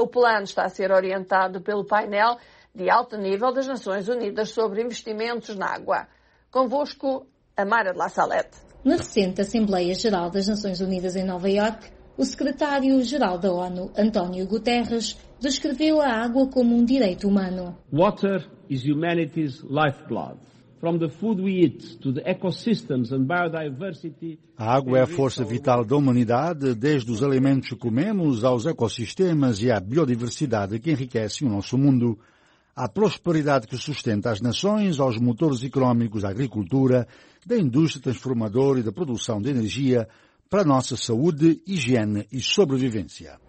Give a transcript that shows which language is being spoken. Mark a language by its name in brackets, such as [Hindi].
[Portuguese] O plano está a ser orientado pelo painel de alto nível das Nações Unidas sobre investimentos na água. Convosco, Amara de La Salette. Na recente Assembleia Geral das Nações Unidas em Nova Iorque, o secretário-geral da ONU, António Guterres, descreveu a água como um direito humano. [English] Water is humanity's lifeblood. From the food we eat to the ecosystems and biodiversity. [Portuguese] A água é a força vital da humanidade, desde os alimentos que comemos aos ecossistemas e à biodiversidade que enriquecem o nosso mundo. À prosperidade que sustenta as nações, aos motores económicos da agricultura, da indústria transformadora e da produção de energia, para a nossa saúde, higiene e sobrevivência.